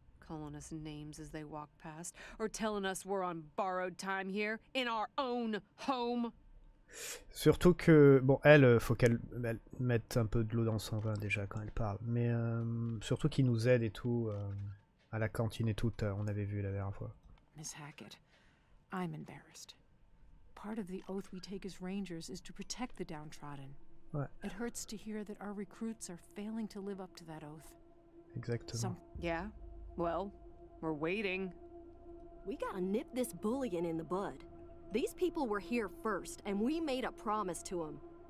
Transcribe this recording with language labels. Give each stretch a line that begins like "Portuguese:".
English: Calling us names as they walk past, or telling us we're on borrowed time here in our own home.
French: Surtout que bon, elle, faut qu'elle mette un peu de l'eau dans son vin déjà quand elle parle. Mais surtout qu'il nous aide et tout à la cantine et tout. On avait vu la dernière fois.
English: Miss Hackett, I'm embarrassed. Part of the oath we take as rangers is to protect the downtrodden.
French: Ouais.
English: It hurts to hear that our recruits are failing to live up to that oath.
French: Exactement. Some,
English: yeah. Well, we're waiting. We gotta nip this bullying in the bud. These people were here first, and we made a promise to them.